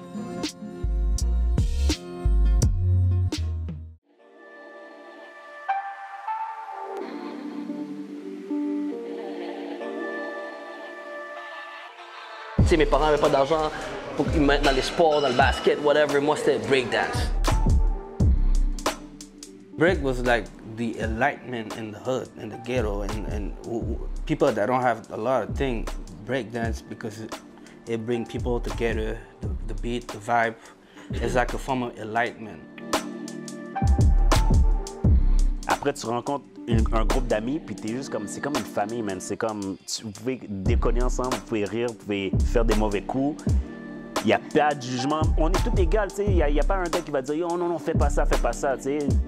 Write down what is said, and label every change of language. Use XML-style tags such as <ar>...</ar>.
<fr>Tu sais, mes parents n'avaient pas d'argent pour qu'ils mettent dans les sports, dans le basket, whatever. Moi, c'était breakdance.</fr> <en>Break was like the enlightenment in the hood, in the ghetto, and people that don't have a lot of things break dance because it brings people together, the beat, the vibe. It's like a form of enlightenment.</en> <fr>Après, tu rencontres un groupe d'amis, puis t'es juste comme, c'est comme une famille, man. C'est comme, vous pouvez déconner ensemble, vous pouvez rire, vous pouvez faire des mauvais coups. Il n'y a pas de jugement. On est tous égales, tu sais. Il n'y a pas un gars qui va dire, oh non, non, fais pas ça, tu sais.</fr>